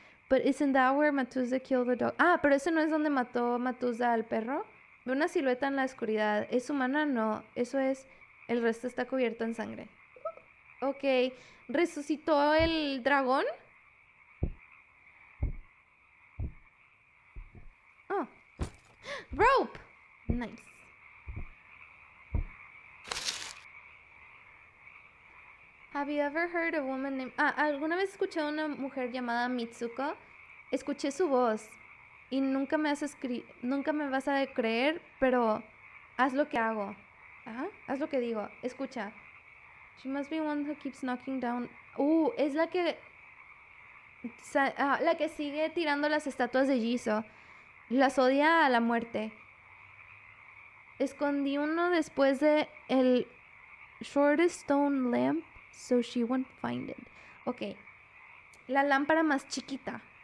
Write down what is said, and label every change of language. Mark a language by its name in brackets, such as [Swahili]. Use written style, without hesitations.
[English] But isn't that where Matuza killed the dog? [Spanish] Ah, pero ese no es donde mató Matuza al perro. Veo una silueta en la oscuridad. ¿Es humana? No. Eso es. El resto está cubierto en sangre. Ok. ¿Resucitó el dragón? [English] Nice. Have you ever heard a woman named... [Spanish] Ah, ¿alguna vez escuché a una mujer llamada Mitsuko? Escuché su voz y nunca me vas a creer, pero haz lo que hago. ¿Ah? Haz lo que digo. Escucha. [English] She must be one who keeps knocking down. [Spanish] Es la que la que sigue tirando las estatuas de Jizo. Las odia a la muerte. Escondí uno después de el [English] shortest stone lamp. So she won't find it. Ok. [Spanish] La lámpara más chiquita.